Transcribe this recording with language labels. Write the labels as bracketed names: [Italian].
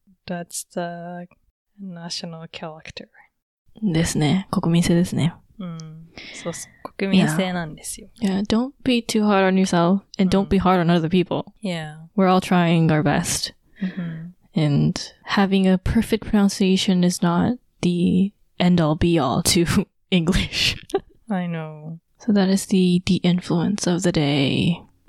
[English] That's the national character. [Japanese] ですね。国民性ですね。そうそう。国民性なんですよ。 [English] Don't be too hard on yourself, and don't be hard on other people. Yeah. We're all trying our best. And having a perfect pronunciation is not the end-all be-all to English. I know. So that is the de-influence of the day.